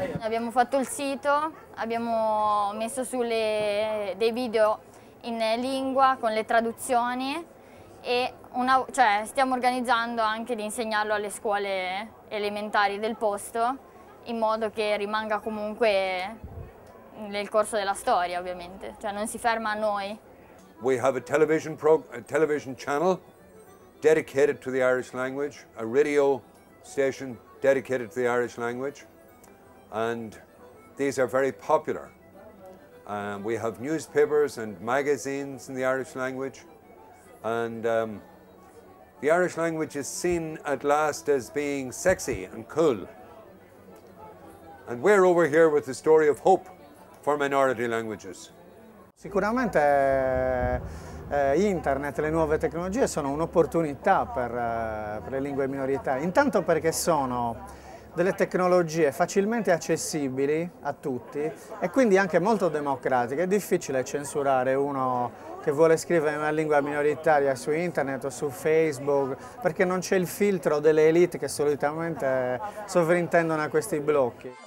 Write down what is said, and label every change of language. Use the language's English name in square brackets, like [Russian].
[Italian] Abbiamo fatto il sito, abbiamo messo su dei video in lingua con le traduzioni e stiamo organizzando anche di insegnarlo alle scuole elementari del posto, in modo che rimanga comunque nel corso della storia, ovviamente, cioè non si ferma a noi. [English] We have a television channel dedicated to the Irish language, a radio station dedicated to the Irish language, and these are very popular. We have newspapers and magazines in the Irish language, and the Irish language is seen at last as being sexy and cool. And we're over here with the story of hope for minority languages. [Italian] Sicuramente internet, le nuove tecnologie sono un'opportunità per le lingue minorità, intanto perché sono delle tecnologie facilmente accessibili a tutti e quindi anche molto democratiche. È difficile censurare uno che vuole scrivere una lingua minoritaria su internet o su Facebook, perché non c'è il filtro delle elite che solitamente sovrintendono a questi blocchi.